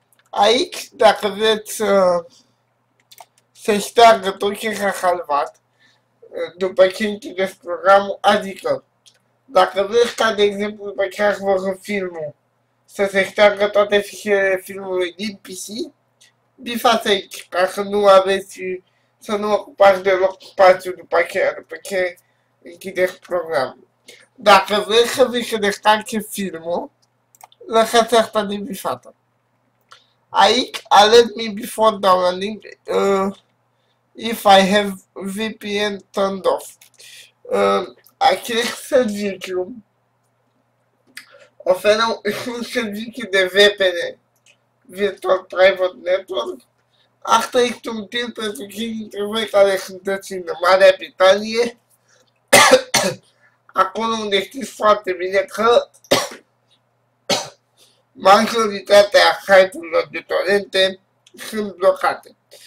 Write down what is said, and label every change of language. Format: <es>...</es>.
<ro>Aici, dacă vreți să șteargă tot ce s-a salvat, după ce închideți programul, adică, dacă vreți ca, de exemplu, după ce ați văzut filmul, să se șteargă toate fișierele filmului din PC, bifați aici, ca să nu aveți, să nu ocupați deloc spațiu după ce închideți programul. Dacă vreți să vi se descarce filmul, lăsați asta de bifată. Aici,</ro> <en>alert me before downloading, if I have VPN turned off.</en> <ro>Acest serviciu oferă un serviciu de VPN. Virtual Private Network. Asta este un tip pentru cei dintre voi care sunteți în Marea Britanie, acolo unde știți foarte bine că majoritatea site-urilor de torente sunt blocate.</ro>